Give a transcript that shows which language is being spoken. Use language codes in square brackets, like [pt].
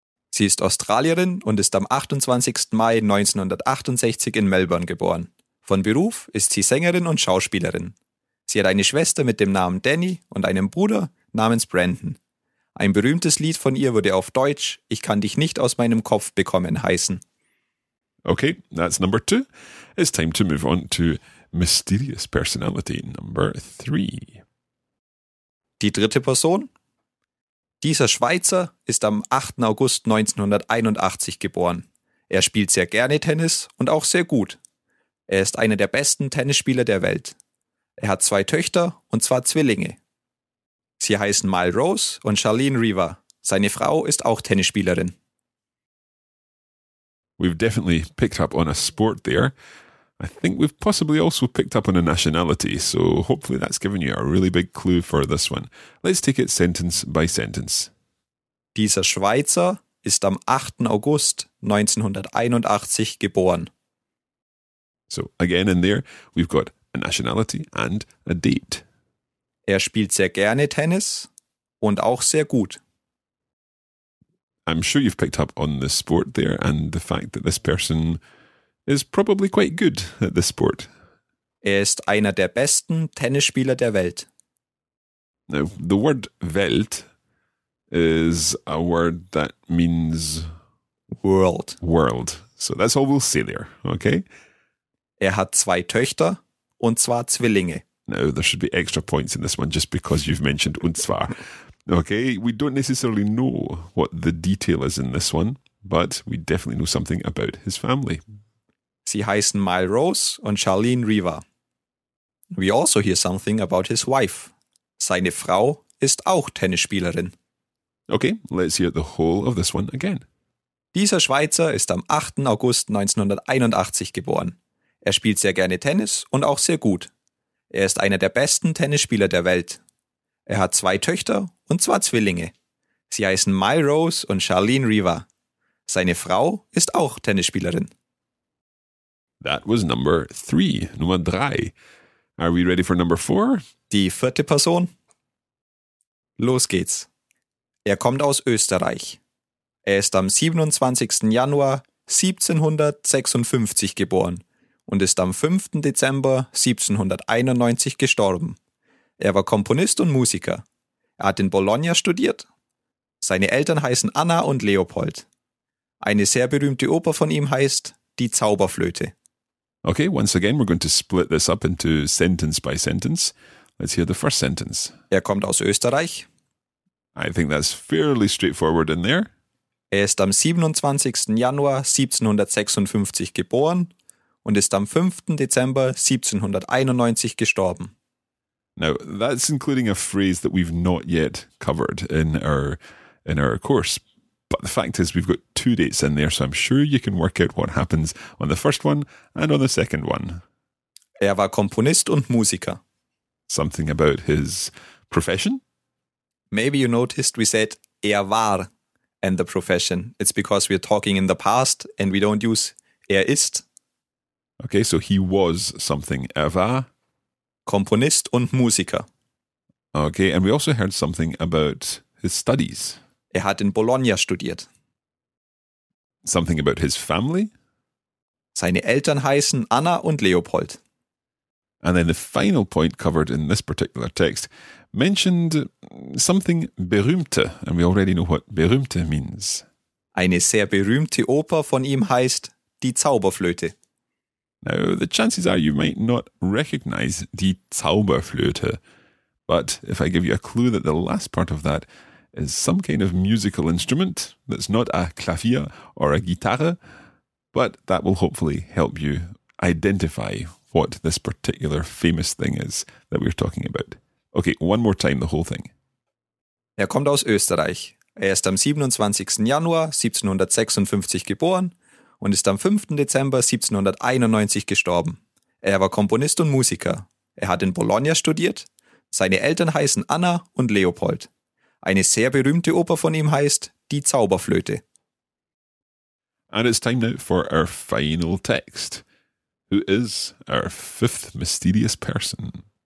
[de] Sie ist Australierin und ist am 28. Mai 1968 in Melbourne geboren. Von Beruf ist sie Sängerin und Schauspielerin. Sie hat eine Schwester mit dem Namen Danny und einen Bruder namens Brandon. Ein berühmtes Lied von ihr würde auf Deutsch "Ich kann dich nicht aus meinem Kopf bekommen" heißen. [en] Okay, that's number two. It's time to move on to mysterious personality number three. [de] Die dritte Person. Dieser Schweizer ist am 8. August 1981 geboren. Er spielt sehr gerne Tennis und auch sehr gut. Er ist einer der besten Tennisspieler der Welt. Er hat zwei Töchter und zwar Zwillinge. Sie heißen Mal Rose und Charlene Reaver. Seine Frau ist auch Tennisspielerin. [en] We've definitely picked up on a sport there. I think we've possibly also picked up on a nationality, so hopefully that's given you a really big clue for this one. Let's take it sentence by sentence. [de] Dieser Schweizer ist am 8. August 1981 geboren. [en] So again in there, we've got a nationality and a date. [de] Er spielt sehr gerne Tennis und auch sehr gut. [en] I'm sure you've picked up on the sport there and the fact that this person is probably quite good at this sport. [de] Er ist einer der besten Tennisspieler der Welt. [en] Now, the word Welt is a word that means world. World. So that's all we'll say there, okay? [de] Er hat zwei Töchter und zwar Zwillinge. [en] Now, there should be extra points in this one just because you've mentioned und zwar. Okay, we don't necessarily know what the detail is in this one, but we definitely know something about his family. [de] Sie heißen Mile Rose und Charlene Reaver. [en] We also hear something about his wife. [de] Seine Frau ist auch Tennisspielerin. [en] Okay, let's hear the whole of this one again. [de] Dieser Schweizer ist am 8. August 1981 geboren. Er spielt sehr gerne Tennis und auch sehr gut. Er ist einer der besten Tennisspieler der Welt. Er hat zwei Töchter und zwar Zwillinge. Sie heißen Mile Rose und Charlene Reaver. Seine Frau ist auch Tennisspielerin. [en] That was number three, [de] Nummer drei. [en] Are we ready for number four? [de] Die vierte Person. Los geht's. Er kommt aus Österreich. Er ist am 27. Januar 1756 geboren und ist am 5. Dezember 1791 gestorben. Er war Komponist und Musiker. Er hat in Bologna studiert. Seine Eltern heißen Anna und Leopold. Eine sehr berühmte Oper von ihm heißt Die Zauberflöte. [en] Okay, once again, we're going to split this up into sentence by sentence. Let's hear the first sentence. [de] Er kommt aus Österreich. [en] I think that's fairly straightforward in there. [de] Er ist am 27. Januar 1756 geboren und ist am 5. Dezember 1791 gestorben. [en] Now, that's including a phrase that we've not yet covered in our course. But the fact is, we've got two dates in there, so I'm sure you can work out what happens on the first one and on the second one. [de] Er war Komponist und Musiker. [en] Something about his profession? Maybe you noticed we said er war and the profession. It's because we're talking in the past and we don't use er ist. Okay, so he was something. [de] Er war Komponist und Musiker. [en] Okay, and we also heard something about his studies. [de] Er hat in Bologna studiert. [en] Something about his family? [de] Seine Eltern heißen Anna und Leopold. [en] And then the final point covered in this particular text mentioned something berühmte, and we already know what berühmte means. [de] Eine sehr berühmte Oper von ihm heißt Die Zauberflöte. [en] Now, the chances are you might not recognize Die Zauberflöte, But if I give you a clue that the last part of that is some kind of musical instrument that's not a clavier or a guitarra, but that will hopefully help you identify what this particular famous thing is that we're talking about. Okay, one more time, the whole thing. [de] Er kommt aus Österreich. Er ist am 27. Januar 1756 geboren und ist am 5. Dezember 1791 gestorben. Er war Komponist und Musiker. Er hat in Bologna studiert. Seine Eltern heißen Anna und Leopold. Eine sehr berühmte Oper von ihm heißt Die Zauberflöte. [en] And it's time now for our final text. Who is our fifth mysterious person?